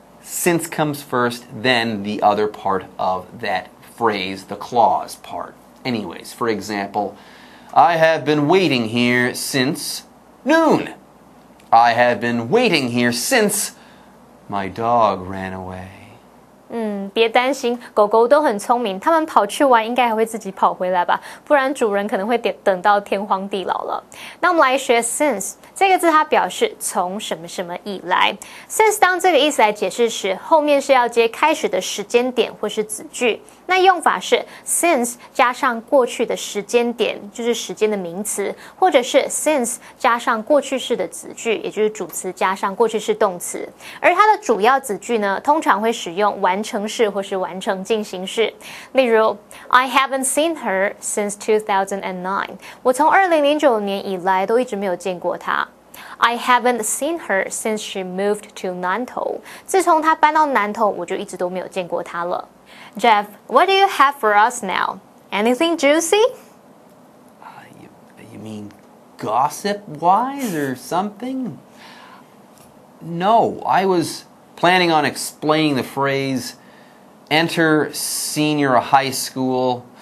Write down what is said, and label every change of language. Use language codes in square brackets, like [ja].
[en] Since comes first, then the other part of that phrase, the clause part. Anyways, for example, I have been waiting here since noon. I have been waiting here since my dog ran away. [zh] 别担心，狗狗都很聪明，它们跑去玩应该还会自己跑回来吧，不然主人可能会等到天荒地老了。那我们来学 since 这个字，它表示从什么什么以来。 since 当这个意思来解释时，后面是要接开始的时间点或是子句。那用法是 since 加上过去的时间点，就是时间的名词，或者是 since 加上过去式的子句，也就是主词加上过去式动词。而它的主要子句呢，通常会使用完成式或是完成进行式。例如 [en] I haven't seen her since 2009. [zh] 我从2009年以来都一直没有见过她。 [en] I haven't seen her since she moved to 南投。 [zh] 自从她搬到南投，我就一直都没有见过她了。 [en] Jeff, what do you have for us now? Anything juicy? You mean gossip-wise or something? No, I was planning on explaining the phrase enter senior high school.